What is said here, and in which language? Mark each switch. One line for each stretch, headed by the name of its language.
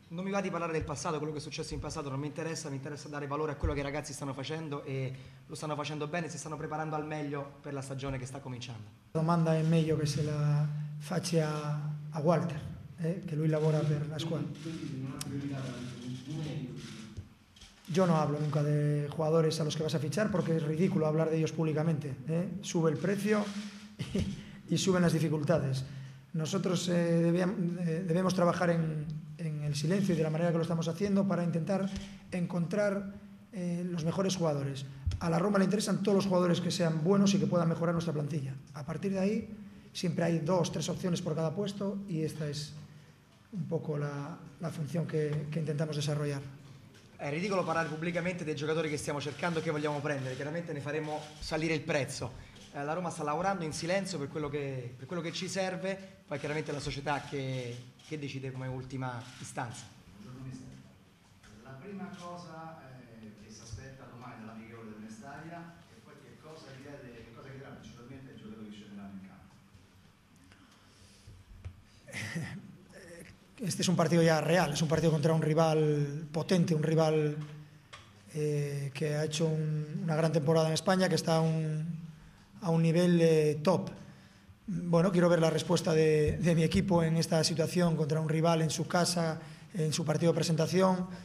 Italian: Non mi va di parlare del passato, quello che è successo in passato non mi interessa, mi interessa dare valore a quello che i ragazzi stanno facendo e lo stanno facendo bene, si stanno preparando al meglio per la stagione che sta cominciando. La domanda è meglio che se la faccia a Walter, che lui lavora per la squadra.
Spanish: Yo no hablo nunca de jugadores a los que vas a fichar porque es ridículo hablar de ellos públicamente. Sube el precio y suben las dificultades. Nosotros debemos trabajar en el silencio y de la manera que lo estamos haciendo para intentar encontrar los mejores jugadores. A la Roma le interesan todos los jugadores que sean buenos y que puedan mejorar nuestra plantilla. A partir de ahí siempre hay dos, tres opciones por cada puesto y esta es un poco la función que intentamos desarrollar.
Italian: È ridicolo parlare pubblicamente dei giocatori che stiamo cercando e che vogliamo prendere, chiaramente ne faremo salire il prezzo. La Roma sta lavorando in silenzio per quello che ci serve, poi chiaramente la società che decide come ultima istanza. Buongiorno mister, la prima cosa che si aspetta domani dalla migliore del Mestalla e poi che cosa chiederà principalmente ai giocatori che scenderanno in campo?
Spanish: Este es un partido ya real, es un partido contra un rival potente, un rival que ha hecho una gran temporada en España, que está a un nivel top. Bueno, quiero ver la respuesta de mi equipo en esta situación contra un rival en su casa, en su partido de presentación.